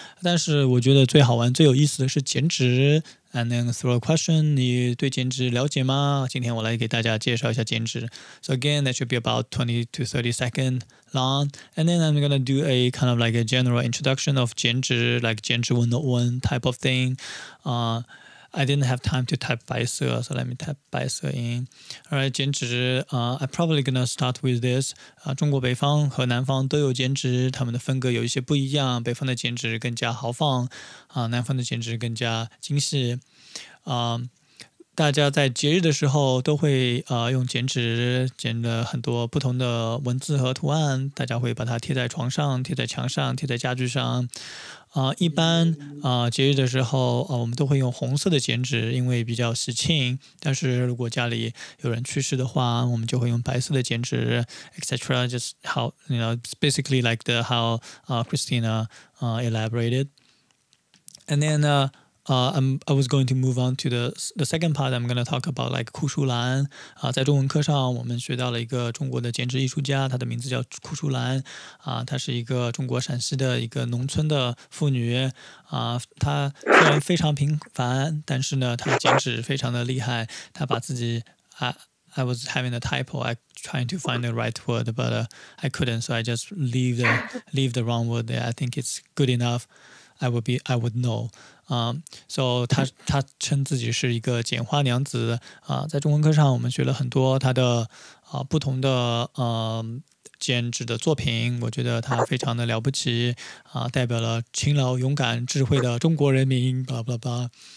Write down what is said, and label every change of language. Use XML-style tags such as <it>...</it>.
<zh>但是我觉得最好玩，最有意思的是剪纸。</zh> <en>And then throw a question,</en> <zh>你对剪纸了解吗？今天我来给大家介绍一下剪纸。</zh> <en>So again, that should be about 20 to 30 seconds long. And then I'm going to do a kind of like a general introduction of 剪纸, like 剪纸 101 type of thing. I didn't have time to type 白色, so let me type 白色音。 All right, 剪纸, I'm probably going to start with this.</en> <zh>中国北方和南方都有剪纸，他们的风格有一些不一样。北方的剪纸更加豪放，南方的剪纸更加精细。大家在节日的时候都会用剪纸剪了很多不同的文字和图案，大家会把它贴在床上，贴在墙上，贴在家具上。一般节日的时候我们都会用红色的剪纸，因为比较喜庆，但是如果家里有人去世的话，我们就会用白色的剪纸 etc.</zh> <en>Just how, you know, basically like the how Christina elaborated. And then I was going to move on to the second part. I'm going to talk about like 库淑兰。</en> <zh>在中文课上我们学到了一个中国的剪纸艺术家，她的名字叫库淑兰。她是一个中国陕西的一个农村的妇女。她虽然非常平凡，但是呢她剪纸非常的厉害。她把自己</zh> <en>I was having a typo, I trying to find the right word, but I couldn't, so I just leave the wrong word there. I think it's good enough. I would know.</en> <zh>So 他称自己是一个剪花娘子在中文课上我们学了很多他的不同的剪纸的作品，我觉得他非常的了不起代表了勤劳勇敢智慧的中国人民</zh> <en>blah blah blah.</en>